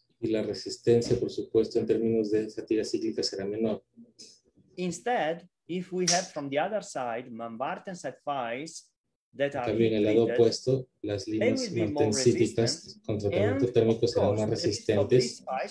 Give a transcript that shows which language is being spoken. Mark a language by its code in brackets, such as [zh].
[es] Y la resistencia, por supuesto, en términos de fatiga cíclica, será menor. [en] Instead, if we have from the other side, martensite files, [es] también el lado opuesto, las limas martensíticas con tratamiento térmico serán más resistentes.